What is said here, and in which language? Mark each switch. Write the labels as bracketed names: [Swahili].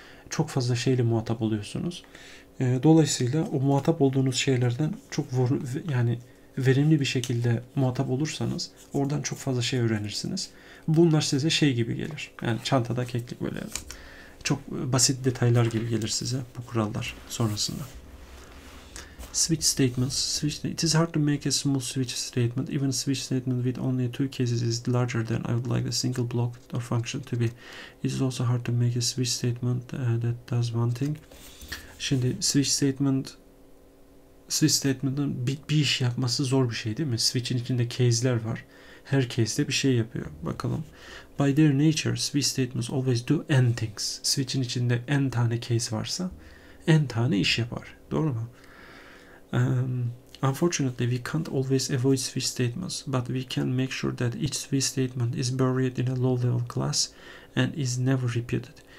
[Turkish] Çok fazla şeyle muhatap oluyorsunuz. Dolayısıyla o muhatap olduğunuz şeylerden çok yani verimli bir şekilde muhatap olursanız oradan çok fazla şey öğrenirsiniz. Bunlar size şey gibi gelir. Yani çantada keklik böyle çok basit detaylar gibi gelir size bu kurallar sonrasında. [English] Switch statements. Switch, it is hard to make a small switch statement. Even a switch statement with only two cases is larger than I would like a single block or function to be. It is also hard to make a switch statement that does one thing. [Turkish] Şimdi switch statement'ın bir iş yapması zor bir şey değil mi? Switch'in içinde case'ler var. Her case'de bir şey yapıyor. Bakalım. [English] By their nature, switch statements always do n things. [Turkish] Switch'in içinde n tane case varsa n tane iş yapar. Doğru mu? [English] Unfortunately, we can't always avoid switch statements, but we can make sure that each switch statement is buried in a low-level class and is never repeated.